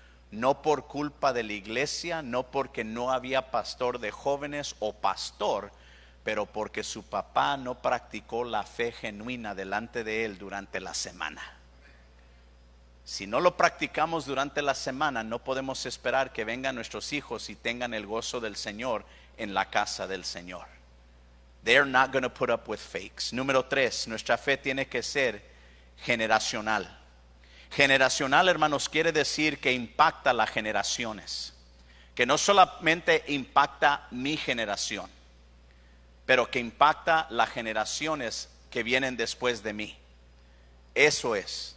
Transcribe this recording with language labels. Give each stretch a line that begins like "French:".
Spanish: No por culpa de la iglesia, no porque no había pastor de jóvenes o pastor, pero porque su papá no practicó la fe genuina delante de él durante la semana. Si no lo practicamos durante la semana, no podemos esperar que vengan nuestros hijos y tengan el gozo del Señor en la casa del Señor.
English: They're not going to put up with fakes.
Spanish: Número tres, nuestra fe tiene que ser generacional. Generacional, hermanos, quiere decir que impacta las generaciones, que no solamente impacta mi generación, pero que impacta las generaciones que vienen después de mí. Eso es.